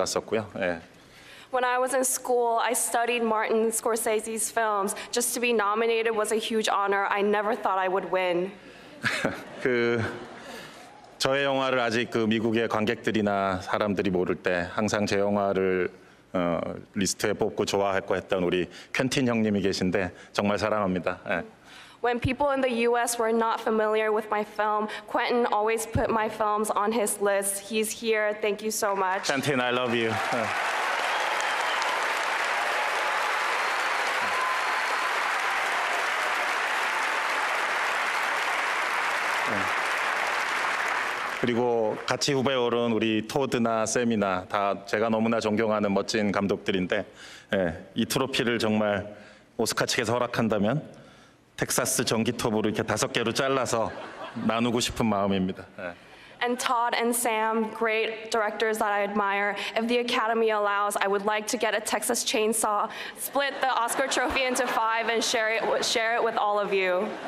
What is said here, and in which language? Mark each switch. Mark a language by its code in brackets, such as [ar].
[en] When I was in school, I studied Martin Scorsese's films. Just to be nominated was a huge honor. I never thought I would win. [ko] 그 저의 영화를 아직 그 미국의 관객들이나 사람들이 모를 때 항상 제 영화를 리스트에 뽑고 좋아했고 했던 우리 켄틴 형님이 계신데 정말 사랑합니다. 예. [en] When people in the US were not familiar with my film, Quentin always put my films on his list. He's here. Thank you so much. Quentin, I love you. 예. [ko] 그리고 같이 후배 오른 우리 토드나 샘이나 다 제가 너무나 존경하는 멋진 감독들인데 예, 이 트로피를 정말 오스카 측에서 허락한다면 텍사스 전기톱으로 이렇게 다섯 개로 잘라서 나누고 싶은 마음입니다. 예. [en] And Todd and Sam, great directors that I admire. If the Academy allows, I would like to get a Texas chainsaw, split the Oscar trophy into five and share it with all of you.